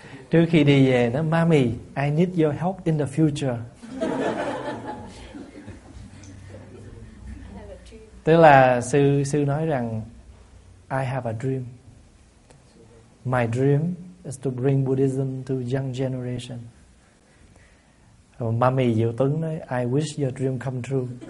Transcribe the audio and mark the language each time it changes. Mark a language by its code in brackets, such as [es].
[vi] Trước khi đi về nó, [en] mami, I need your help in the future. [vi] Tức là sư nói rằng [en] I have a dream. My dream is to bring Buddhism to young generation. [vi] Rồi mami Diệu Tấn nói [en] I wish your dream come true.